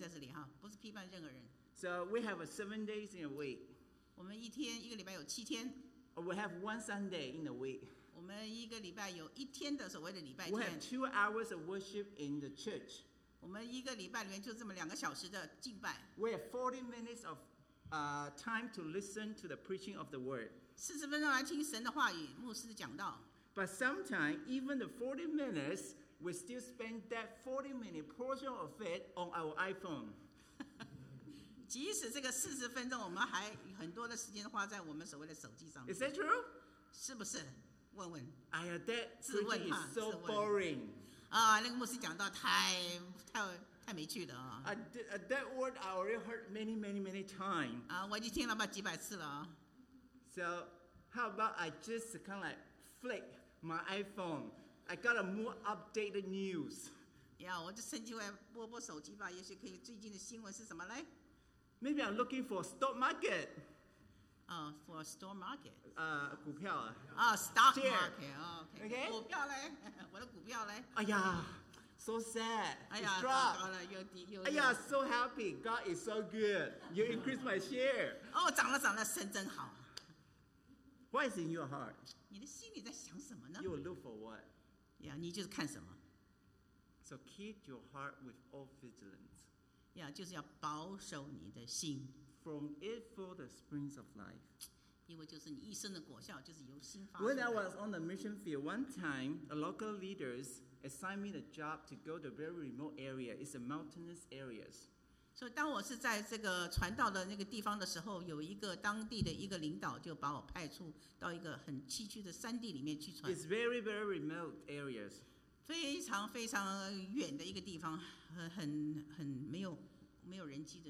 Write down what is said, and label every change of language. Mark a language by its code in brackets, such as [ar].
[zh] 不是要审判各位任何人在这里哈，不是批判任何人。 [en] So we have a 7 days in a week. [zh] 我们一天一个礼拜有七天。 [en] Or we have one Sunday in a week. [zh] 我们一个礼拜有一天的所谓的礼拜天。 [en] We have 2 hours of worship in the church. [zh] 我们一个礼拜里面就这么2个小时的敬拜。 [en] We have 40 minutes of time to listen to the preaching of the word. [zh] 40分钟来听神的话语，牧师讲道。 [en] But sometimes even the 40 minutes. We still spend that 40-minute portion of it on our iPhone. [zh] 即使这个40分钟，我们还很多的时间花在我们所谓的手机上面。 [en] Is that true？ [zh] 是不是？问问。 [en] 哎呀 ，That preaching is so boring。 [zh] 啊，那个牧师讲到太没趣了啊。 [en] That word I already heard many times。 [zh] 啊，我已经听了吧几百次了啊。 [en] So how about I just kind of like flick my iPhone? I got a more updated news. [zh] Yeah, 我就趁机会拨拨手机吧，也许可以最近的新闻是什么嘞？ [en] Maybe I'm looking for a stock market. For a stock market. [zh] 股票啊。 [en] Stock market. Okay. Okay. [zh] 股票嘞？我的股票嘞？ [en] 哎呀 ，so sad. [zh] 哎呀，糟糕了，又跌又。 [en] 哎呀 ，so happy. God is so good. You increase my share. [zh] 哦，涨了涨了，神真好。 [en] What is in your heart? [zh] 你的心里在想什么呢？ [en] You will look for what? [zh] Yeah, 你就是看什么。 [en] So keep your heart with all vigilance. [zh] Yeah, 就是要保守你的心。 [en] From it flow the springs of life. [zh] 因为就是你一生的果效，就是由心发出。 [en] When I was on the mission field one time, the local leaders assigned me the job to go to a very remote area. It's a mountainous areas. [zh] 所以当我是在这个传道的那个地方的时候，有一个当地的一个领导就把我派出到一个很崎岖的山地里面去传。 [en] It's very, very remote areas. [zh] 非常非常远的一个地方，很没有人迹的地方。